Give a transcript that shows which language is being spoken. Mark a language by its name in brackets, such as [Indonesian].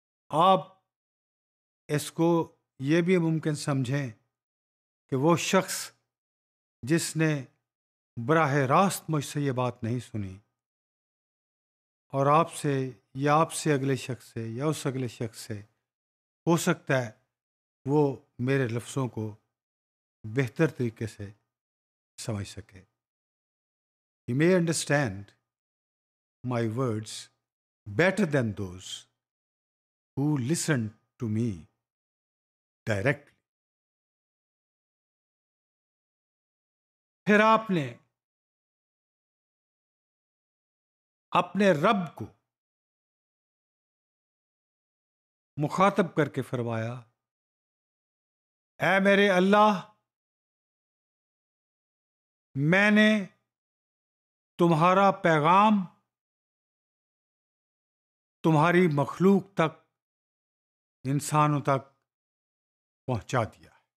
[Urdu] آپ اس کو یہ بھی ممکن سمجھیں کہ وہ شخص جس نے براہ راست مجھ سے یہ بات نہیں سنی اور آپ سے یا آپ سے اگلے شخص سے یا اس اگلے شخص سے ہو سکتا ہے وہ میرے لفظوں کو بہتر طریقے سے سمجھ سکے. [English] You may understand my words better than those who listen to me directly. [Urdu] پھر آپ نے اپنے رب کو مخاطب کر کے فرمایا, اے میرے اللہ, میں نے تمہارا پیغام تمہاری مخلوق تک, انسانوں تک پہنچا دیا.